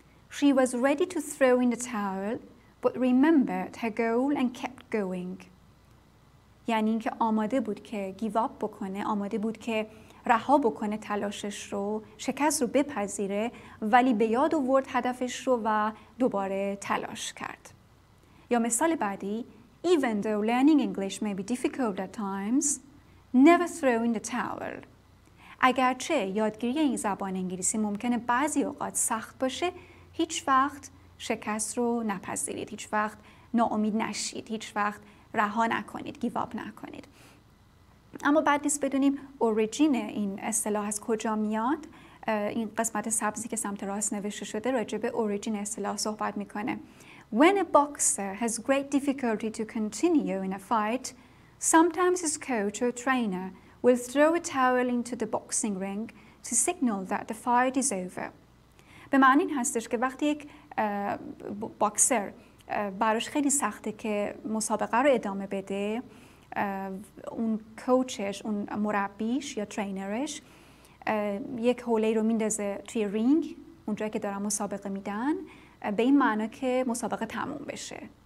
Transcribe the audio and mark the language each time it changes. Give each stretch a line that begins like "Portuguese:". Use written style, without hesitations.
English: She was ready to throw in the towel but remembered her goal and kept going.
Persian: یعنی اینکه آماده بود که
English: give up
Persian: بکنه، آماده بود که رها بکنه تلاشش رو، شکست رو بپذیره، ولی به یاد آورد هدفش رو و دوباره تلاش کرد. یا مثال بعدی،
English: even though learning English may be difficult at times, never throw in the towel.
Persian: اگرچه یادگیری این زبان انگلیسی ممکنه بعضی اوقات سخت باشه، هیچ وقت شکست رو نپذیرید، هیچ وقت ناامید نشید، هیچ وقت رها نکنید،
English: give up
Persian: نکنید. اما بعد نیست بدونیم اوریجین این اصطلاح از کجا میاد. این قسمت سبزی که سمت راست نوشته شده راجع به اوریجین اصطلاح صحبت میکنه.
English: When a boxer has great difficulty to continue in a fight, sometimes his coach or trainer will throw a towel into the boxing ring to signal that the fight is over.
Persian: به معنی این هستش که وقتی یک باکسر براش خیلی سخته که مسابقه رو ادامه بده، اون کوچش، اون مربیش یا ترینرش یک حوله رو میندازه توی رینگ اونجایی که دارن مسابقه میدن، به این معنی که مسابقه تموم بشه،